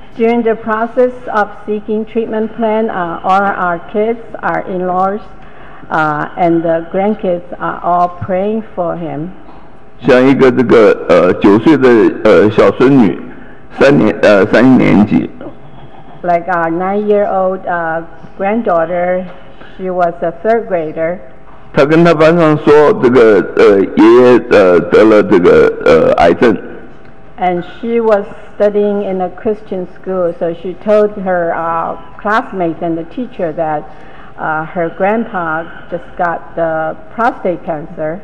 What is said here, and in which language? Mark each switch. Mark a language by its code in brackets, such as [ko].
[en] During the process of seeking treatment plan, all our kids, our in-laws, and the grandkids are all praying for him. [zh] 像一个这个九岁的小孙女，三年级。 [en] Like our nine-year-old granddaughter, she was a third grader. [zh] 她跟她班上说，这个爷爷得了这个癌症。 [en] And she was studying in a Christian school, so she told her classmates and the teacher that her grandpa just got the prostate cancer.